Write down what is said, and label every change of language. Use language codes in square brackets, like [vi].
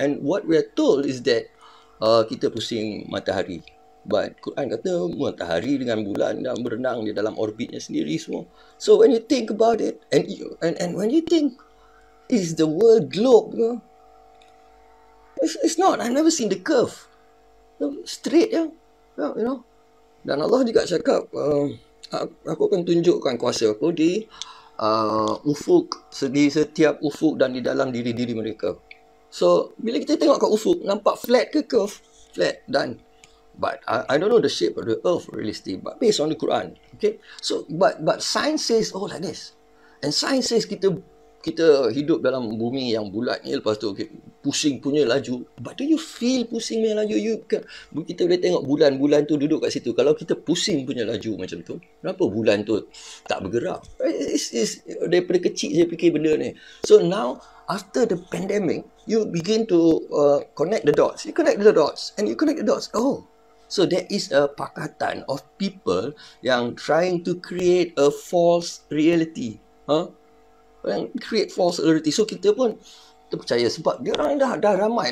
[en] And what we are told is that [ms] kita pusing matahari. But Quran kata matahari dengan bulan dan berenang di dalam orbitnya sendiri semua. [en] So when you think about it, and when you think, is the world globe? You know? It's not. I've never seen the curve. You know, straight, ya. Yeah? You know. [ms] Dan Allah juga cakap, aku akan tunjukkan kuasa aku di ufuk, di setiap ufuk dan di dalam diri-diri mereka. So, bila kita tengok kat ufuk, nampak flat ke curve? [en] Flat, done. But I don't know the shape of the earth realistically, but based on the Quran. [ms] Okay? [en] So, but science says, [ms] oh like this. And science says kita hidup dalam bumi yang bulat ni, lepas tu okay, pusing punya laju. [en] But do you feel [ms] pusing punya laju? Kita boleh tengok bulan-bulan tu duduk kat situ. Kalau kita pusing punya laju macam tu, kenapa bulan tu tak bergerak? It's daripada kecil saya fikir benda ni. [en] So now, after the pandemic, you begin to connect the dots. You connect the dots. And you connect the dots. Oh, so there is a pakatan of people yang trying to create a false reality. [ms] Yang [en] create false reality. [ms] So kita pun terpercaya. Sebab dia orang dah ramai.